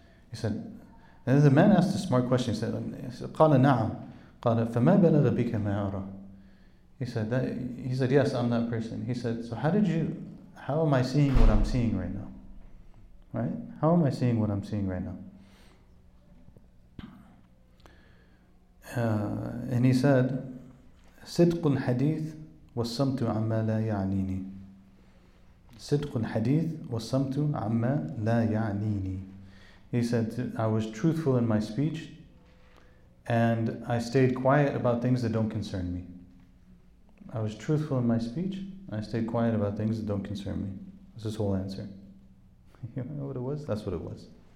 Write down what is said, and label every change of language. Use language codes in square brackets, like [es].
[en] He said, and the man asked a smart question. He said, [ar] قَالَ نَعَمْ قَالَ فَمَا بَلَغَ بِكَ مَا أَرَى. [en] He said, yes, I'm that person. He said, so how am I seeing what I'm seeing right now? Right? How am I seeing what I'm seeing right now? And he said, [ar] صدق الحديث والصمت عما لا يعنيني. صدق الحديث والصمت عما لا يعنيني. [en] He said, I was truthful in my speech and I stayed quiet about things that don't concern me. I was truthful in my speech and I stayed quiet about things that don't concern me. That's his whole answer. You know what it was? That's what it was.